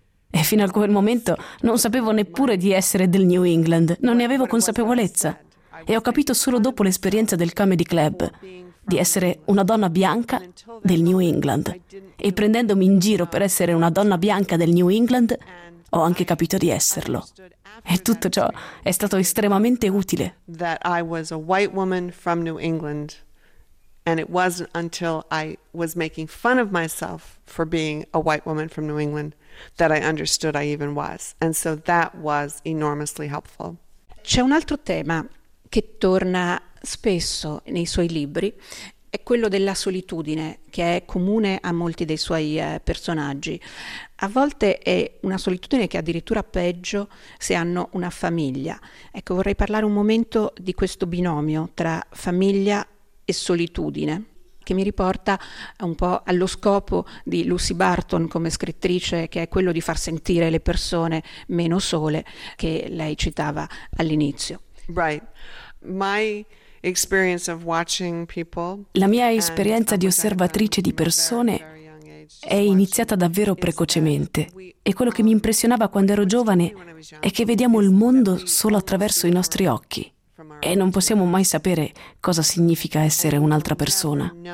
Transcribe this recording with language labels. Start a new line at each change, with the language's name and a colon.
Italian: E fino a quel momento non sapevo neppure di essere del New England, non ne avevo consapevolezza. E ho capito solo dopo l'esperienza del Comedy Club di essere una donna bianca del New England. E prendendomi in giro per essere una donna bianca del New England, ho anche capito di esserlo. E tutto ciò è stato estremamente utile.
English: That I was a white woman from New England. And it wasn't until I was making fun of myself for being a white woman from New England that I understood I even was. And so that was enormously helpful.
Italian: C'è un altro tema che torna spesso nei suoi libri, è quello della solitudine, che è comune a molti dei suoi personaggi. A volte è una solitudine che è addirittura peggio se hanno una famiglia. Ecco, vorrei parlare un momento di questo binomio tra famiglia e solitudine, che mi riporta un po' allo scopo di Lucy Barton come scrittrice, che è quello di far sentire le persone meno sole, che lei citava all'inizio.
English: Right. My experience of watching people.
Italian: La mia esperienza di osservatrice di persone è iniziata davvero precocemente e quello che mi impressionava quando ero giovane è che vediamo il mondo solo attraverso i nostri occhi. E non possiamo mai sapere cosa significa essere un'altra persona.